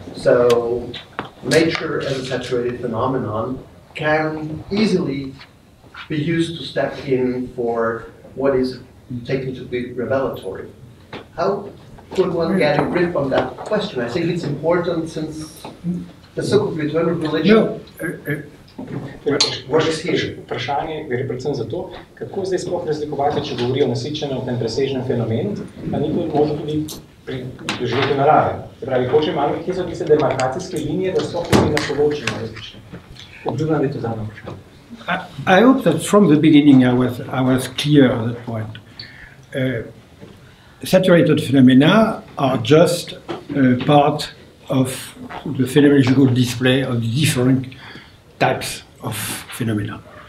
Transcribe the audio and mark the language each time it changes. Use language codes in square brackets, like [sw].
[en] So nature as a saturated phenomenon can easily be used to step in for what is taken to be revelatory. How could one get a grip on that question? I think it's important since the so-called return of religion [sl] Vprašanje gre predvsem za to, kako zdaj sploh razlikovati, če govori o nasičenem, tem presežnem fenomenu, pa ni možno tudi pri doživeti narave. Se pravi, hoče malo, kje so tiste demarkacijske linije, da so tudi na določeno različne. Obljubljam, da je to zadnje vprašanje. [en] I hope that from the beginning I was clear on that point. Saturated phenomena are just part of the phenomenological display of different types of phenomena.